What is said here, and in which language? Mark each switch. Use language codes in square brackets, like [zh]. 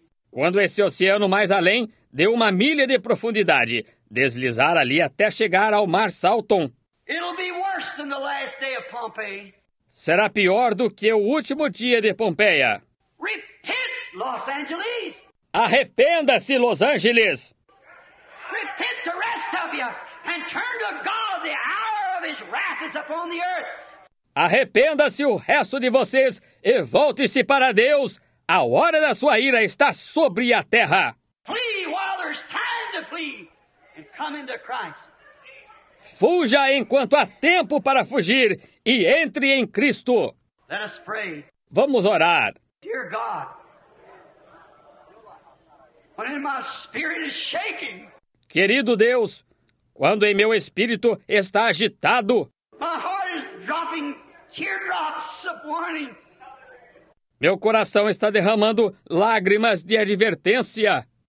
[pt] Quando esse oceano mais além deu uma milha de profundidade, deslizar ali até chegar ao mar Salton. [en] It'll be worse than the last day of Pompeii. [pt] Será pior do que o último dia de Pompeia. [en] Repent, Los Angeles! [pt] Arrependa-se, Los Angeles! [en] Repent the rest of you! And turn to God, the hour of His wrath is upon the earth. [pt] Arrependa-se o resto de vocês e volte-se para Deus. A hora da sua ira está sobre a terra. [en] Flee while there's time to flee and come into Christ. [pt] Fuja enquanto há tempo para fugir e entre em Cristo. [en] Let us pray. [pt] Vamos orar. [en] Dear God, when my spirit is shaking, [pt] querido Deus, quando em meu espírito está agitado, [en] my heart is dropping teardrops of warning. [pt] Meu coração está derramando lágrimas de advertência.